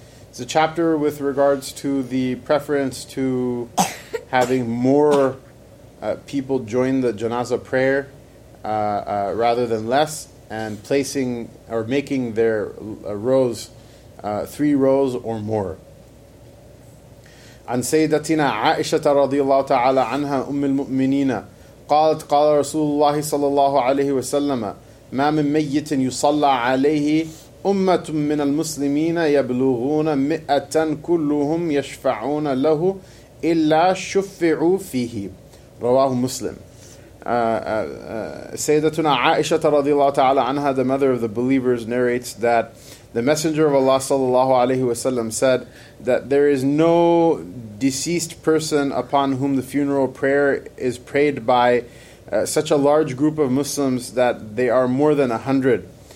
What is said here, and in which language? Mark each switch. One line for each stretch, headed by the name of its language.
English: It's a chapter with regards to the preference to having more people join the janazah prayer rather than less, and placing or making their rows three rows or more.
Arabic: عن سيدتنا عائشة رضي الله تعالى عنها أم المؤمنين قالت قال رسول الله صلى الله عليه وسلم ما من ميت يصلى عليه أمة من المسلمين يبلغون مئة كلهم يشفعون له إلا شفعوا فيه رواه مسلم. سيدتنا عائشة رضي الله تعالى عنها,
English: the mother of the believers, narrates that the Messenger of Allah sallallahu alayhi wa sallam said that there is no deceased person upon whom the funeral prayer is prayed by such a large group of Muslims that they are more than 100.